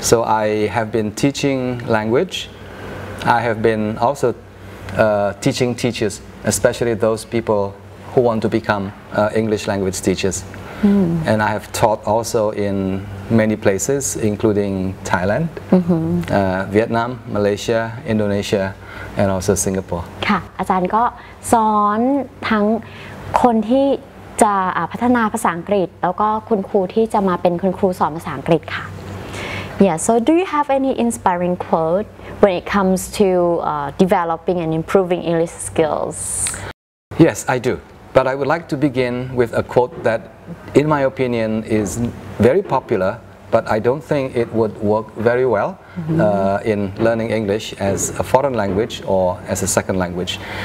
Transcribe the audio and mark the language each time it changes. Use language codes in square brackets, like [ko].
[en] So I have been teaching language. I have been also teaching teachers, especially those people who want to become English language teachers. Mm. And I have taught also in many places, including Thailand, Vietnam, Malaysia, Indonesia, and also Singapore. [th] ค่ะอาจารย์ก็สอนทั้งคนที่จะพัฒนาภาษาอังกฤษแล้วก็คุณครูที่จะมาเป็นคุณครูสอนภาษาอังกฤษค่ะ Yeah. [en] So, do you have any inspiring quote when it comes to developing and improving English skills? Yes, I do. But I would like to begin with a quote that, in my opinion, is very popular, but I don't think it would work very well in learning English as a foreign language or as a second language.